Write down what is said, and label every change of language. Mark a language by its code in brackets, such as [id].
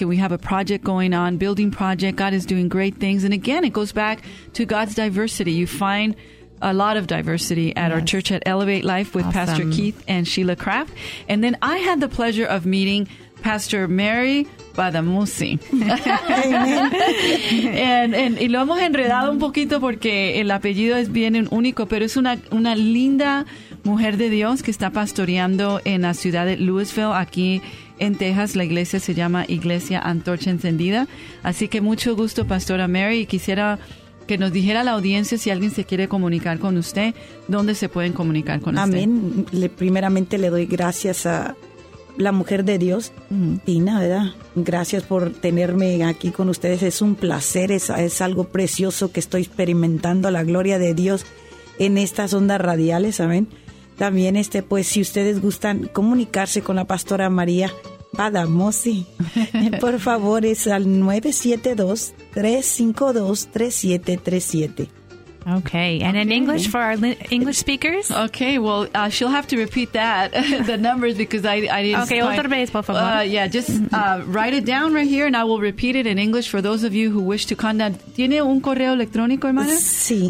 [en] And we have a project going on, building project. God is doing great things. And again, it goes back to God's diversity. You find a lot of diversity at yes. our church at Elevate Life with awesome. Pastor Keith and Sheila Kraft. And then I had the pleasure of meeting Pastor Mary Badamusi. and [es] y lo hemos enredado un poquito porque el apellido es bien único, pero es una linda mujer de Dios que está pastoreando en la ciudad de Louisville, aquí en Texas. La iglesia se llama Iglesia Antorcha Encendida. Así que mucho gusto, Pastora Mary. Y quisiera que nos dijera la audiencia si alguien se quiere comunicar con usted, ¿dónde se pueden comunicar con usted? Amén. Primeramente le doy gracias a... la mujer de Dios, Tina, ¿verdad? Gracias por tenerme aquí con ustedes. Es un placer, es algo precioso que estoy experimentando la gloria de Dios en estas ondas radiales, ¿saben? También, pues, si ustedes gustan comunicarse con la pastora María Badamosi, por favor, es al 972-352-3737. [en] Okay, and okay. in English for our English speakers? Okay, well, she'll have to repeat that, the numbers, because I didn't... [es] Okay, otra vez, por favor. [en] Yeah, just write it down right here, and I will repeat it in English for those of you who wish to contact. [es] ¿Tiene un correo electrónico, hermana? Sí.